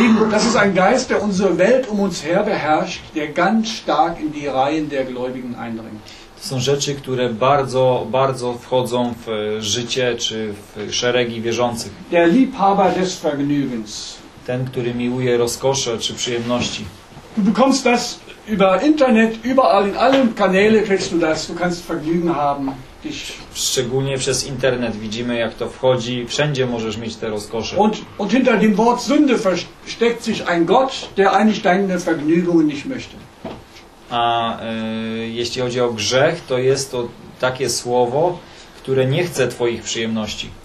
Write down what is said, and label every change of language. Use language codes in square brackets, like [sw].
[de] Das ist ein Geist, der unsere Welt um uns her beherrscht, der ganz stark in die Reihen der Gläubigen eindringt. [pl] To są rzeczy, które bardzo, bardzo wchodzą w życie czy w szeregi wierzących. [de] Der Liebhaber des Vergnügens. [pl] Ten, który miłuje rozkosze czy przyjemności. [de] Du bekommst das über Internet, überall, in allen Kanälen kriegst du das. Du kannst Vergnügen haben. [pl] Szczególnie przez Internet widzimy, jak to wchodzi. Wszędzie możesz mieć te rozkosze. [de] Und hinter dem Wort Sünde versteckt sich ein Gott, der eigentlich deine Vergnügungen nicht möchte. [pl] A jeśli chodzi o grzech, to jest to takie słowo, które nie chce twoich przyjemności.